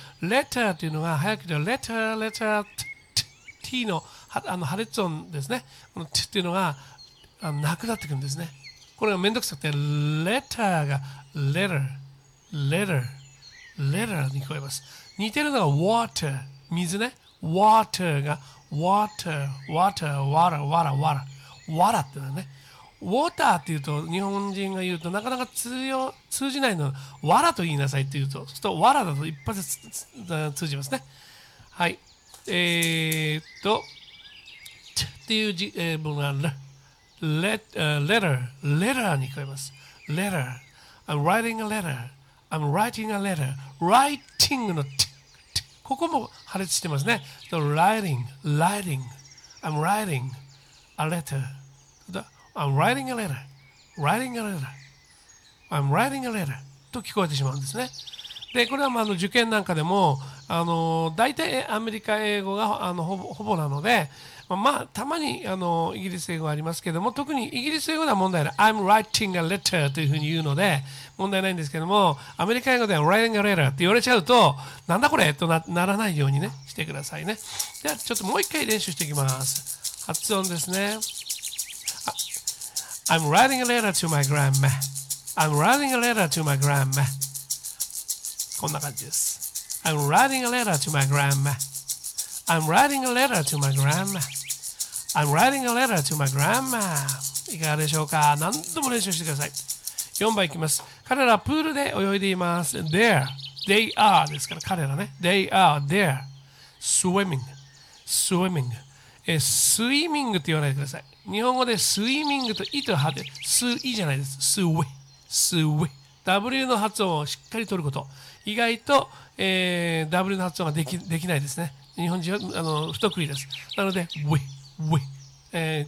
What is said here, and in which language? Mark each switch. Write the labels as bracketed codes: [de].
[ja] letter というのが早く言う letter, letter, t の破裂音ですね。この t というのがなくなってくるんですね。これがめんどくさくて、letter が letter, letter, letter に聞こえます。似てるのが water, 水ね。 water が water, water, water, water, water, water ってのはね。 water って言うと、日本人が言うとなかなか通じないの。わらと言いなさいって言うと、するとわらだと一発で通じますね。はい。っていう字、僕が、letter, letter に聞こえます。 [en] letter. I'm writing a letter. I'm writing a letter. [ja] writing の t, t. ここも破裂してますね。 [en] So, writing, writing. I'm writing a letter. I'm writing a letter. writing a letter. I'm writing a letter. [ja] と聞こえてしまうんですね。で、これはまあ、受験なんかでも、大体アメリカ英語が、ほぼなので、まあ、たまに、イギリス英語はありますけども、特にイギリス英語では問題ない。 [en] I'm writing a letter [ja] というふうに言うので、問題ないんですけども、アメリカ英語では writing a letter って言われちゃうと、なんだこれと ならないようにね、してくださいね。じゃあ、ちょっともう一回練習していきます。発音ですね。 [en] I'm writing a letter to my grandma. I'm writing a letter to my grandma. [ja] こんな感じです。 [en] I'm writing a letter to my grandma. I'm writing a letter to my grandma. I'm writing a letter to my grandma. [ja] いかがでしょうか。何度も練習してください。4番いきます。彼らプールで泳いでいます。 [en] There. They are. [ja] ですから彼らね。 [en] They are there. Swimming. Swimming. [ja] スイミングと言わないでください。日本語でスイミングとイと派で、スイじゃないです。スウェ、スウェ。W の発音をしっかり取ること。意外と、W の発音ができないですね。日本人は不得意です。なので、ウェ、ウェ。